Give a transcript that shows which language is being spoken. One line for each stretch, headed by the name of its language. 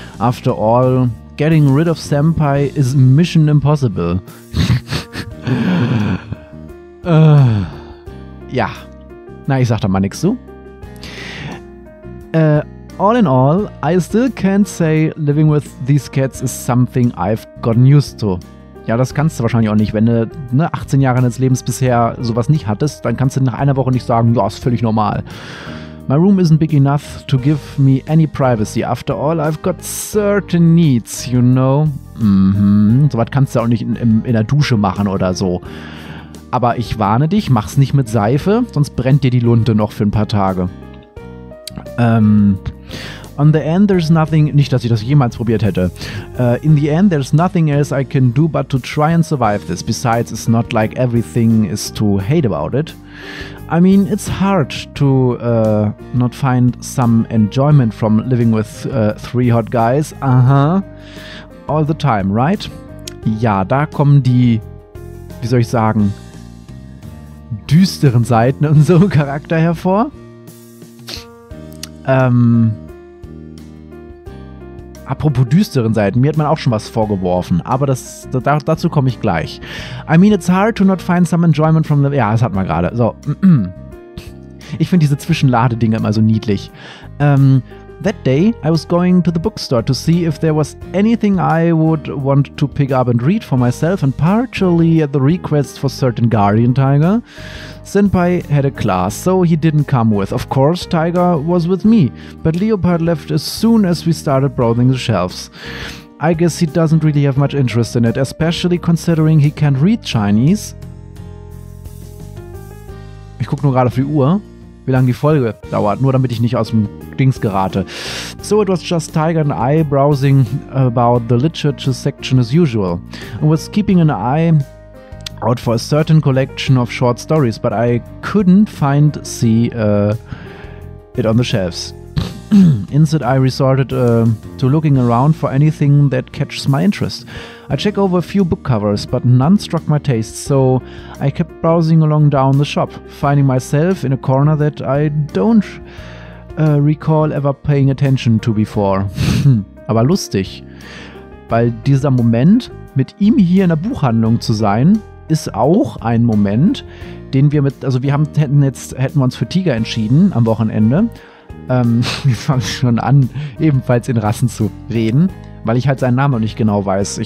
English: After all, getting rid of Senpai is mission impossible.
German: Ja. Na, ich sag da mal nix zu.
English: All in all, I still can't say living with these cats is something I've gotten used to. Ja, das kannst du wahrscheinlich auch nicht. Wenn du 18 Jahre deines Lebens bisher sowas nicht hattest, dann kannst du nach einer Woche nicht sagen, ja, ist völlig normal. My room isn't big enough to give me any privacy. After all, I've got certain needs, you know.
German: So was kannst du auch nicht in der Dusche machen oder so. Aber ich warne dich, mach's nicht mit Seife, sonst brennt dir die Lunte noch für ein paar Tage.
English: On the end, there's nothing.
German: Nicht, dass ich das jemals probiert hätte.
English: In the end, there's nothing else I can do but to try and survive this. Besides, it's not like everything is to hate about it. I mean, it's hard to not find some enjoyment from living with three hot guys. All the time, right?
German: Ja, da kommen die, wie soll ich sagen, düsteren Seiten und so Charakter hervor. Apropos düsteren Seiten, mir hat man auch schon was vorgeworfen, aber dazu komme ich gleich.
English: I mean, it's hard to not find some enjoyment from the...
German: Ja, das hatten wir gerade. So. Ich finde diese Zwischenladedinger immer so niedlich.
English: That day, I was going to the bookstore to see if there was anything I would want to pick up and read for myself and partially at the request for certain guardian tiger. Senpai had a class, so he didn't come with. Of course, Tiger was with me, but Leopard left as soon as we started browsing the shelves. I guess he doesn't really have much interest in it, especially considering he can't read Chinese.
German: Ich guck nur gerade auf die Uhr, wie lange die Folge dauert, nur damit ich nicht aus dem Dings gerate.
English: So it was just Tiger and I browsing about the literature section as usual. I was keeping an eye out for a certain collection of short stories, but I couldn't find it on the shelves. Instead, I resorted to looking around for anything that catches my interest. I checked over a few book covers, but none struck my taste, so I kept browsing along down the shop, finding myself in a corner that I don't recall ever paying attention to before.
German: Aber lustig, weil dieser Moment, mit ihm hier in der Buchhandlung zu sein, ist auch ein Moment, den wir mit, also wir haben, hätten wir uns für Tiger entschieden am Wochenende. Wir fangen schon an, ebenfalls in Rassen zu reden, weil ich halt seinen Namen noch nicht genau weiß.